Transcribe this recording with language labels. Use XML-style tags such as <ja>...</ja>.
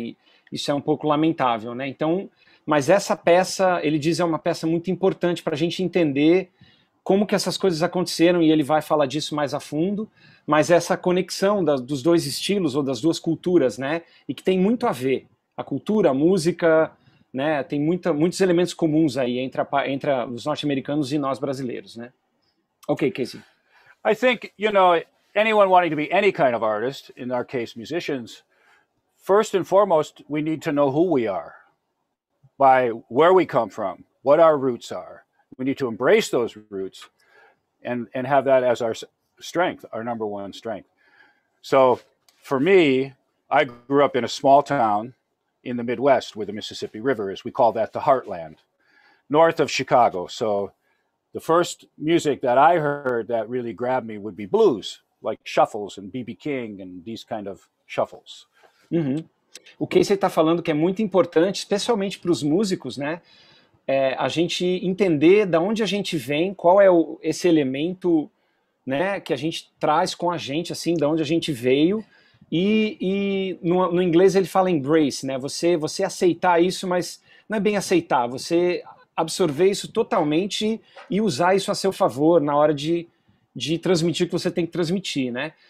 <pt>E isso é um pouco lamentável, né? Então, mas essa peça, ele diz, é uma peça muito importante para a gente entender como que essas coisas aconteceram, e ele vai falar disso mais a fundo, mas essa conexão dos dois estilos ou das duas culturas, né? E que tem muito a ver. A cultura, a música, né? Tem muitos elementos comuns aí entre os norte-americanos e nós brasileiros, né? Ok, Casey.</pt> <en>I think, you know, anyone wanting to be any kind of artist, in our case, musicians, first and foremost, we need to know who we are, by where we come from, what our roots are. We need to embrace those roots and have that as our strength, our number one strength. So for me, I grew up in a small town in the Midwest where the Mississippi River is. We call that the heartland, north of Chicago. So the first music that I heard that really grabbed me would be blues, like shuffles and B.B. King and these kind of shuffles. Mm-hmm.</en> <pt>O que você está falando que é muito importante, especialmente para os músicos, né? É, a gente entender de onde a gente vem, qual é esse elemento né, que a gente traz com a gente, assim, de onde a gente veio. E no inglês ele fala embrace, né? Você aceitar isso, mas não é bem aceitar, você absorver isso totalmente e usar isso a seu favor na hora de transmitir o que você tem que transmitir, né?</pt>